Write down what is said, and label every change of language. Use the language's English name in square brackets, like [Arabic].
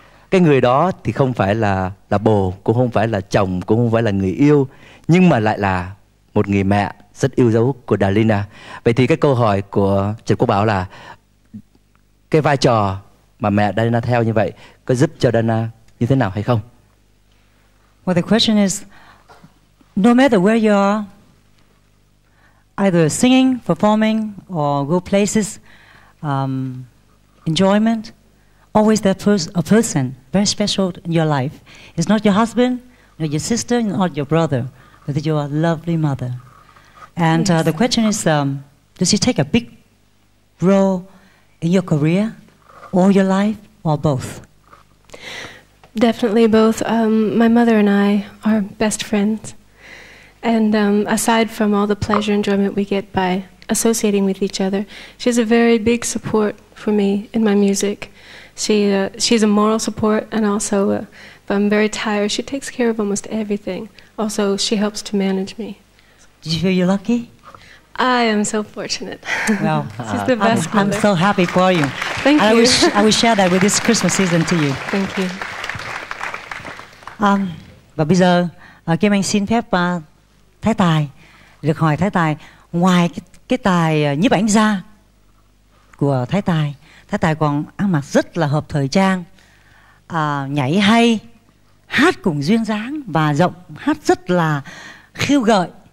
[Vietnamese] Cái người đó thì không phải là bồ, cũng không phải là chồng, cũng không phải là người yêu, nhưng mà lại là một người mẹ rất yêu dấu của Diana. Vậy thì cái câu hỏi của Trần Quốc Bảo là cái vai trò mà mẹ Diana theo như vậy có giúp cho Diana như thế nào hay không? [English] Well, the question is, no matter where you are, either singing, performing, or go places, enjoyment, always there first a person very special in your life. It's not your husband, not your sister, not your brother, but it's your lovely mother. And yes. The question is, does she take a big role in your career, or your life, or both? Definitely both. My mother and I are best friends. And aside from all the pleasure and enjoyment we get by associating with each other, she has a very big support for me in my music. She's a moral support, and also if I'm very tired, she takes care of almost everything. Also, she helps to manage me. Do you feel you're lucky? I am so fortunate. Well, she's the best mother. I'm so happy for you. Thank you. I will share that with this Christmas season to you. Thank you. [Vietnamese] Và bây giờ, Kim Anh xin phép Thái Tài, được hỏi Thái Tài, ngoài cái tài nhiếp ảnh gia của Thái Tài, Thái Tài còn ăn mặc rất là hợp thời trang, nhảy hay, hát cũng duyên dáng và giọng hát rất là khiêu gợi.